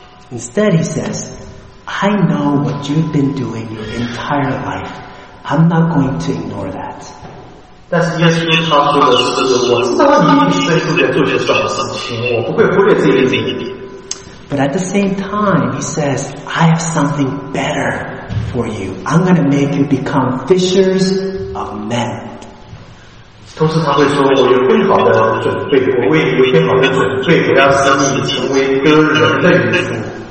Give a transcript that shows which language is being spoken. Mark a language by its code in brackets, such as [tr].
[en] Instead, he says, I know what you've been doing your entire life. I'm not going to ignore that. [zh] 但是耶稣他说的是，我知道你一生都在做些什么事情，我不会忽略这一点。 [en] But at the same time, he says, I have something better for you. I'm going to make you become fishers of men. [zh] 同时他会说，我有更好的准备，我为你有更好的准备，我要使你成为割人的渔夫。